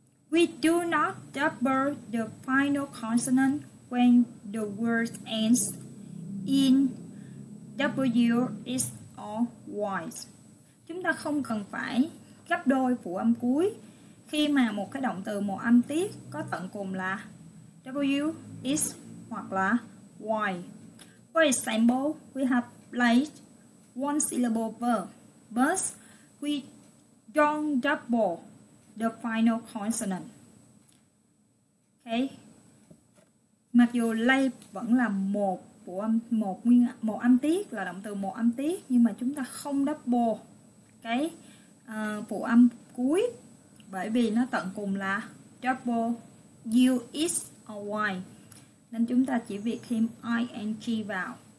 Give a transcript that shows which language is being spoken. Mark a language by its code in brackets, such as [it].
[en] We do not double the final consonant when the word ends in W, X, or Y. [vi] Chúng ta không cần phải gấp đôi phụ âm cuối khi mà một cái động từ một âm tiết có tận cùng là W, X hoặc là Y. [en] For example, we have played one syllable verb, but we don't double the final consonant. Okay. [vi] Mặc dù lay vẫn là một phụ âm, một âm tiết, là động từ một âm tiết, nhưng mà chúng ta không double cái phụ âm cuối, bởi vì nó tận cùng là [en] double U, X, or Y, [vi] nên chúng ta chỉ việc thêm ing vào.